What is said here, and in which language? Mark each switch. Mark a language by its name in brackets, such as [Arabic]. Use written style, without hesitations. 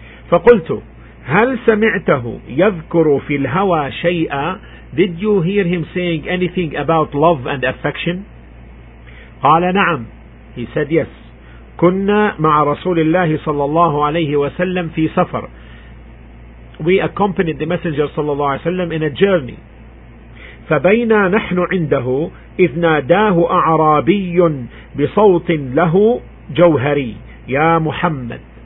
[Arabic] فقلت هل سمعته يذكر في الهوى شيئا. [English] Did you hear him saying anything about love and affection? [Arabic] قال نعم. [English] He said yes. [Arabic] كنا مع رسول الله صلى الله عليه وسلم في سفر. [English] We accompanied the messenger [Arabic] صلى الله عليه وسلم [English] in a journey. [Arabic] فبينا نحن عنده إذ ناداه أعرابي بصوت له جوهري يا محمد.